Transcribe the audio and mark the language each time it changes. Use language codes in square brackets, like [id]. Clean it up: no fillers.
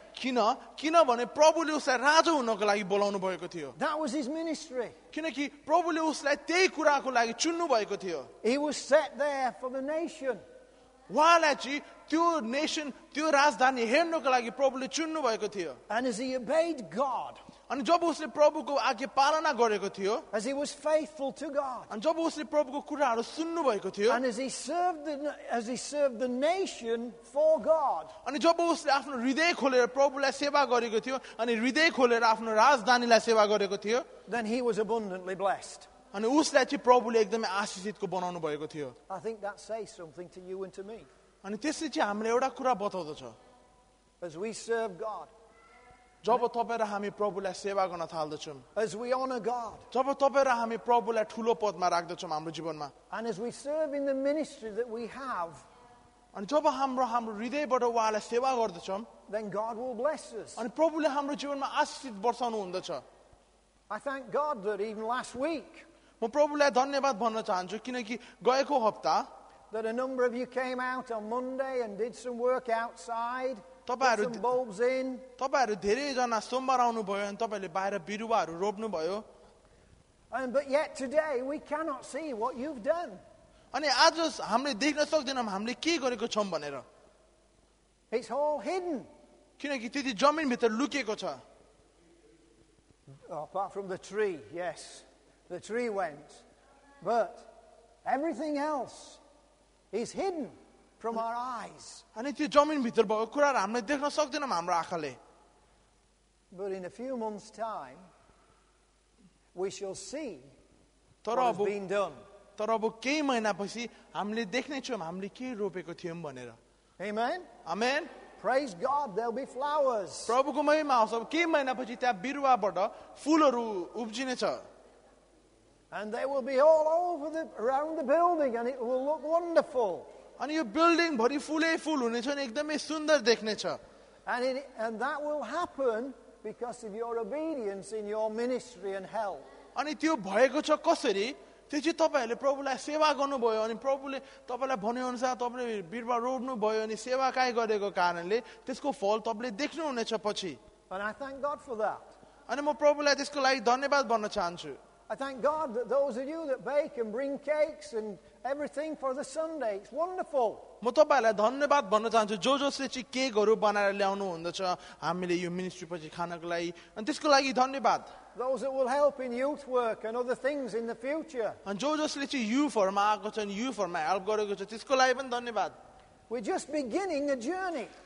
[ne] किनभने प्रभुले उसलाई राजा हुनको लागि बोलाउनु भएको थियो. [en] That was his ministry. [ne] किनकि प्रभुले उसलाई त्यही कुराको लागि चुन्नु भएको थियो. [en] He was set there for the nation. [ne] उहाँलाई चाहिँ त्यो नेसन त्यो राजधानी हेर्नको लागि प्रभुले चुन्नु भएको थियो. [en] And as he obeyed God. [ne] अनि जब उसले प्रभुको आज्ञा पालना गरेको थियो. [en] As he was faithful to God. [ne] अनि जब उसले प्रभुको कुराहरु सुन्नु भएको थियो. [en] And as he served the nation for God. [ne] अनि जब उसले आफ्नो हृदय खोलेर प्रभुलाई सेवा गरेको थियो अनि हृदय खोलेर आफ्नो राजधानीलाई सेवा गरेको थियो. [en] Then he was abundantly blessed. [ne] अनि उसलाई चाहिँ प्रभुले एकदमै आशिषितको बनाउनु भएको थियो. [en] I think that says something to you and to me. [ne] अनि त्यसले चाहिँ हामीलाई एउटा कुरा बताउँदछ. [en] As we serve God. [ne] जब तपाईंहरु हामी प्रभुलाई सेवा गर्न थाल्दछौं [en] as we honor God [ne] जब तपाईंहरु हामी प्रभुलाई ठूलो पदमा राख्दछौं हाम्रो जीवनमा [en] and as we serve in the ministry that we have [ne] अनि जब हाम्रो हृदयबाट उहाँलाई सेवा गर्दछौं [en] then God will bless us [ne] अनि प्रभुले हाम्रो जीवनमा आशिष बर्षाउनु हुन्छ [en] I thank God that even last week [ne] म प्रभुलाई धन्यवाद भन्न चाहन्छु किनकि गएको हप्ता [en] that a number of you came out on Monday and did some work outside [ne] तपाईहरु तपाईहरु धेरै जना सोमबार आउनु भयो अनि तपाईले बाहिर बिरुवाहरु रोप्नु भयो [en] but yet today we cannot see what you've done [ne] अनि आज हामीले देख्न सक्दैनम हामीले के गरेको छम भनेर [en] it's all hidden [ne] किनकि त्यो जमिन भित्र लुकेको छ [en] apart from the tree yes the tree went but everything else is hidden from our eyes [ne] अनि त्यो जमिन भित्र भएको कुरा हामीले देख्न सक्दैनम हाम्रो आँखाले [en] but in a few months time we shall see what has been done [ne] तर अब केही महिनापछि हामीले देख्ने छौं हामीले के रोपेको थियौं भनेर [en] amen amen praise god there'll be flowers [ne] प्रभुको महिमा हुन्छ केही महिनापछि त्यहाँ बिरुवाबाट फूलहरू उब्जिने छ [en] and they will be all over the around the building and it will look wonderful [ne] अनि यो बिल्डिङ भरि फुलै फुल हुनेछ नि एकदमै सुन्दर देख्नेछ [en] and that will happen because of your obedience in your ministry and help [ne] अनि त्यो भएको छ कसरी त्यो चाहिँ तपाईहरुले प्रभुलाई सेवा गर्नुभयो अनि प्रभुले तपाईलाई भन्यो अनुसार तपाईले बिरुवा रोप्नु भयो अनि सेवाकाय गरेको कारणले त्यसको फल तपाईले देख्नु हुनेछ पछि [en] and I thank God for that [ne] अनि म प्रभुलाई त्यसको लागि धन्यवाद भन्न चाहन्छु [en] I thank God that those of you that bake and bring cakes and everything for the Sunday it's wonderful [ne] म तपाईलाई धन्यवाद भन्न चाहन्छु जो जोसले चाहिँ केकहरु बनाएर ल्याउनु हुन्छ हामीले यो मिनिस्ट्री पछि खानको लागि अनि त्यसको लागि धन्यवाद [en] those that will help in youth work and other things in the future [ne] अनि जो जोसले चाहिँ युथहरुमा आएको छ अनि युथहरुमा हेल्प गरेको छ त्यसको लागि पनि धन्यवाद [en] we're just beginning a journey